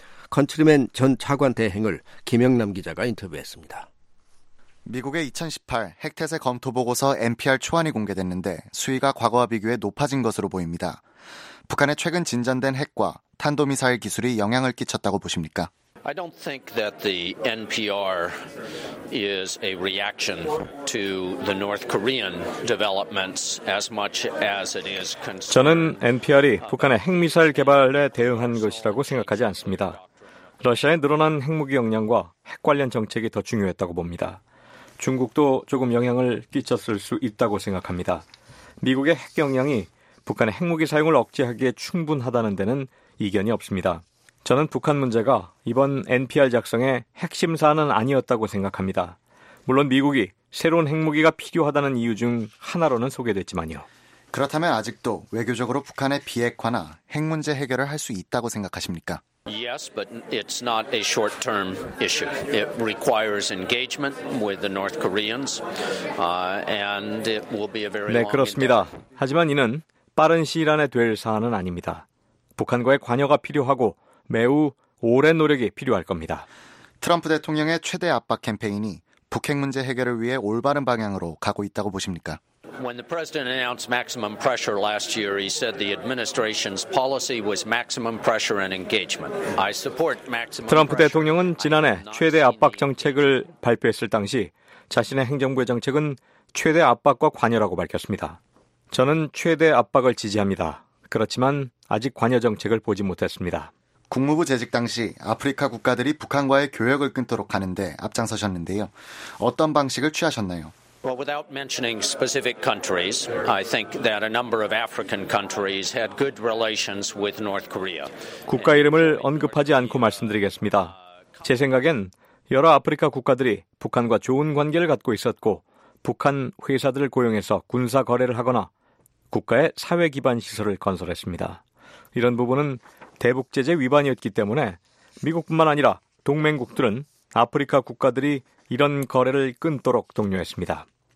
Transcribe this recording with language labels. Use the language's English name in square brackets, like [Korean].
[Korean] 컨트리맨 전 차관 대행을 김영남 기자가 인터뷰했습니다. 미국의 2018 핵태세 검토 보고서 NPR 초안이 공개됐는데 수위가 과거와 비교해 높아진 것으로 보입니다. 북한의 최근 진전된 핵과 탄도미사일 기술이 영향을 끼쳤다고 보십니까? [English] I don't think that the NPR is a reaction to the North Korean developments as much as it is concerned. [Korean] 저는 NPR이 북한의 핵미사일 개발에 대응한 것이라고 생각하지 않습니다. 러시아의 늘어난 핵무기 역량과 핵 관련 정책이 더 중요했다고 봅니다. 중국도 조금 영향을 끼쳤을 수 있다고 생각합니다. 미국의 핵 역량이 북한의 핵무기 사용을 억제하기에 충분하다는 데는 이견이 없습니다. 저는 북한 문제가 이번 NPR 작성의 핵심 사안은 아니었다고 생각합니다. 물론 미국이 새로운 핵무기가 필요하다는 이유 중 하나로는 소개됐지만요. 그렇다면 아직도 외교적으로 북한의 비핵화나 핵 문제 해결을 할 수 있다고 생각하십니까? [English] Yes, but it's not a short-term issue. It requires engagement with the North Koreans, and it will be a very long. [Korean] 네, 그렇습니다. 하지만 이는 빠른 시일 안에 될 사안은 아닙니다. 북한과의 관여가 필요하고 매우 오랜 노력이 필요할 겁니다. 트럼프 대통령의 최대 압박 캠페인이 북핵 문제 해결을 위해 올바른 방향으로 가고 있다고 보십니까? [English] When the president announced maximum pressure last year, he said the administration's policy was maximum pressure and engagement. I support maximum pressure. [Korean] 트럼프 대통령은 지난해 최대 압박 정책을 발표했을 당시 자신의 행정부의 정책은 최대 압박과 관여라고 밝혔습니다. 저는 최대 압박을 지지합니다. 그렇지만 아직 관여 정책을 보지 못했습니다. 국무부 재직 당시 아프리카 국가들이 북한과의 교역을 끊도록 하는데 앞장서셨는데요. 어떤 방식을 취하셨나요? [English] Well, without mentioning specific countries, I think that a number of African countries had good relations with North Korea. [Korean] 국가 이름을 언급하지 않고 말씀드리겠습니다. 제 생각엔 여러 아프리카 국가들이 북한과 좋은 관계를 갖고 있었고 북한 회사들을 고용해서 군사 거래를 하거나 국가의 사회 기반 시설을 건설했습니다. 이런 부분은 대북 제재 위반이었기 때문에 미국뿐만 아니라 동맹국들은 아프리카 국가들이 이런 거래를 끊도록 독려했습니다.